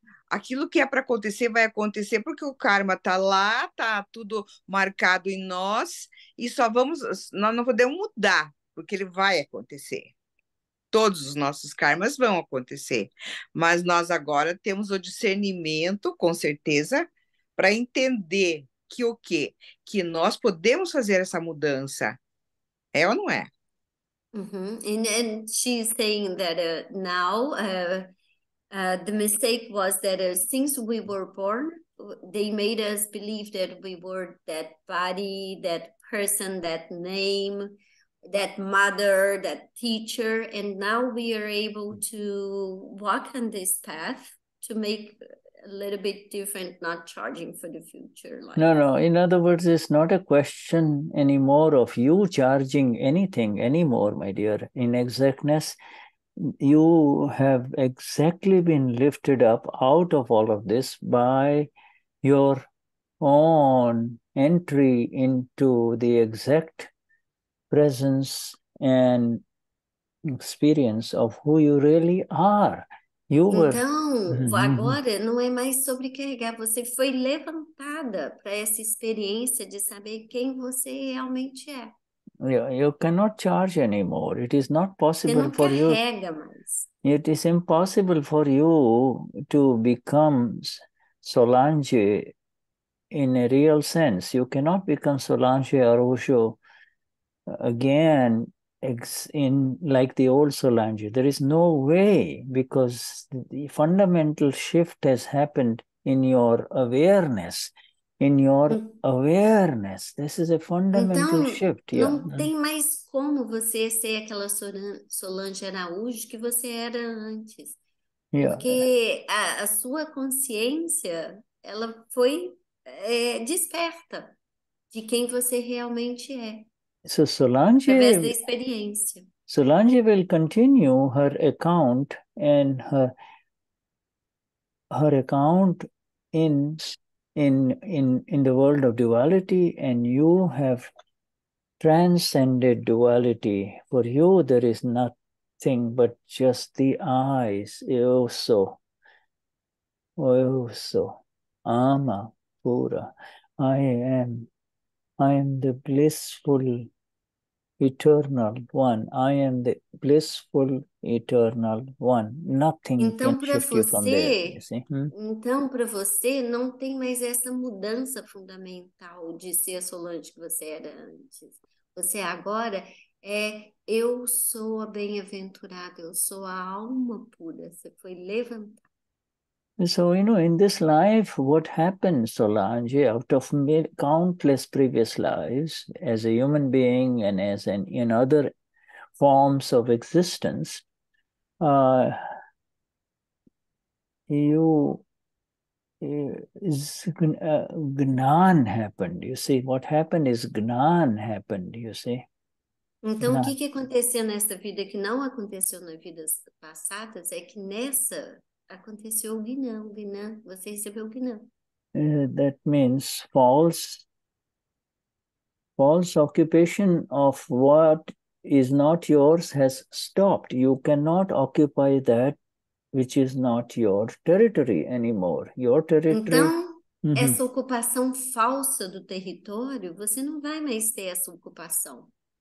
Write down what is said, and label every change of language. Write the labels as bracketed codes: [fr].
[pt] Aquilo que é para acontecer, vai acontecer, porque o karma está lá, está tudo marcado em nós, e nós não podemos mudar, porque ele vai acontecer. Todos os nossos karmas vão acontecer. Mas nós agora temos o discernimento, com certeza, para entender que o quê? Que nós podemos fazer essa mudança. É ou não é? [en] And she's saying that the mistake was that since we were born, they made us believe that we were that body, that person, that name, that mother, that teacher, and now we are able to walk on this path to make a little bit different, not charging for the future life. No, no. In other words, it's not a question anymore of you charging anything anymore, my dear. In exactness, you have exactly been lifted up out of all of this by your own entry into the exact presence and experience of who you really are. You were... [pt] Então, agora não é mais sobre carregar, você foi levantada para essa experiência de saber quem você realmente é. [en] You cannot charge anymore. It is not possible for you. [pt] Você não carrega mais. [en] It is impossible for you to become Solange in a real sense. You cannot become Solange or Osho again in like the old Solange. There is no way, because the fundamental shift has happened in your awareness. In your awareness. This is a fundamental shift. [pt] Não tem mais como você ser aquela Solange Araújo que você era antes. [en] Yeah. [pt] Porque a sua consciência, ela foi desperta de quem você realmente é. [en] So Solange, [pt] através da experiência. [en] Solange will continue her account and her account in the world of duality, and you have transcended duality. For you, there is nothing but just the eyes. Eoso. Eoso. Ama. Pura. I am the blissful eternal one. I am the blissful eternal one. Nothing [pt] então, [en] can shift [pt] você, [en] you from there. You see? [pt] Então, para você, não tem mais essa mudança fundamental de ser a Solange que você era antes. Você agora é, eu sou a bem-aventurada, eu sou a alma pura, você foi levantada. [en] So, you know, in this life, what happened, Solange, out of countless previous lives, as a human being and as in other forms of existence, you is gnan happened. You see, what happened is gnan happened. You see. [pt] Então, gnan. O que aconteceu nessa vida que não aconteceu nas vidas passadas é que nessa aconteceu o gnan, você recebeu o gnan. [en] That means false occupation of what is not yours has stopped. You cannot occupy that which is not your territory anymore. Your territory... [pt] Então, essa ocupação falsa do território, você não vai mais ter essa ocupação.